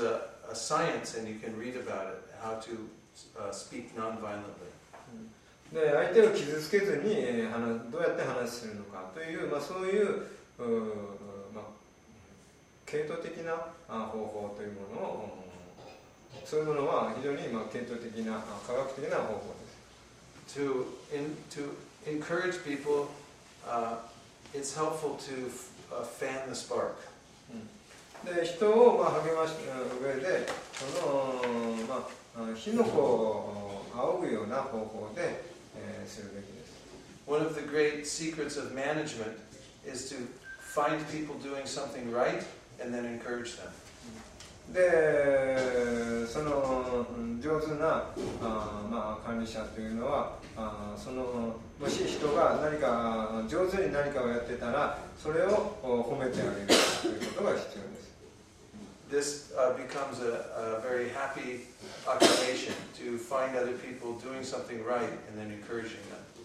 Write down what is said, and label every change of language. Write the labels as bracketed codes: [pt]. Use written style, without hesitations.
[en] This is a science, and you can read about it, how to speak non-violently. [ja] で、相手を傷つけずに、どうやって話するのかという、まあ、そういう、まあ、系統的な方法というものを、そういうものは非常に、まあ、系統的な、科学的な方法です。 [en] To encourage people, it's helpful to fan the spark. [ja] で、人を、まあ、励ました上で、その、まあ、火の粉を仰ぐような方法で、するべきです。 [en] One of the great secrets of management is to find people doing something right and then encourage them. [ja] で、その上手な、まあ、管理者というのは、そのもし人が何か上手に何かをやってたら、それを褒めてあげるということが必要です。 [en] This becomes a very happy occupation to find other people doing something right and then encouraging them.